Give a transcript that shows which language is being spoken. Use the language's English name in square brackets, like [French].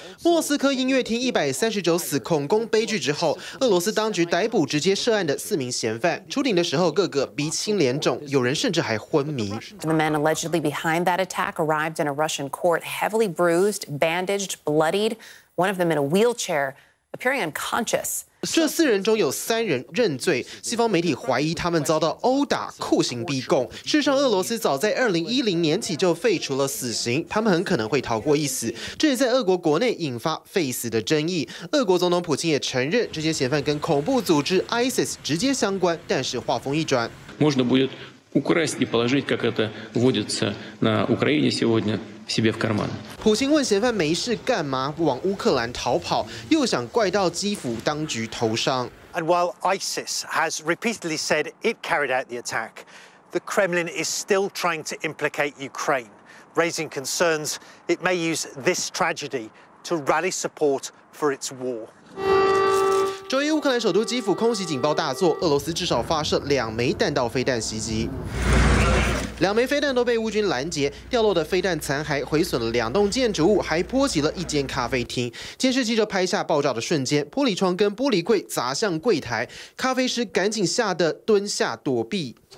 [Chinese] 莫斯科音乐厅139死恐攻悲剧之后，俄罗斯当局逮捕直接涉案的四名嫌犯，出庭的时候个个鼻青脸肿，有人甚至还昏迷。 [English] The men allegedly behind that attack arrived in a Russian court heavily bruised, bandaged, bloodied. One of them in a wheelchair, appearing unconscious. [Chinese] 这四人中有三人认罪，西方媒体怀疑他们遭到殴打、酷刑逼供。事实上，俄罗斯早在2010年起就废除了死刑，他们很可能会逃过一死。这也在俄国国内引发废死的争议。俄国总统普京也承认这些嫌犯跟恐怖组织 ISIS 直接相关，但是话锋一转。 [Russian] Можно будет украсть и положить, как это водится на Украине сегодня. Себе в карман. [Chinese] 普京问嫌犯没事干嘛往乌克兰逃跑，又想怪到基辅当局头上。 [English] And while ISIS has repeatedly said it carried out the attack, the Kremlin is still trying to implicate Ukraine, raising concerns it may use this tragedy to rally support for its war. [Chinese] 周一，乌克兰首都基辅空袭警报大作，俄罗斯至少发射两枚弹道飞弹袭击。两枚飞弹都被乌军拦截，掉落的飞弹残骸毁损了两栋建筑物，还波及了一间咖啡厅。监视器就拍下爆炸的瞬间，玻璃窗跟玻璃柜砸向柜台，咖啡师赶紧吓得蹲下躲避。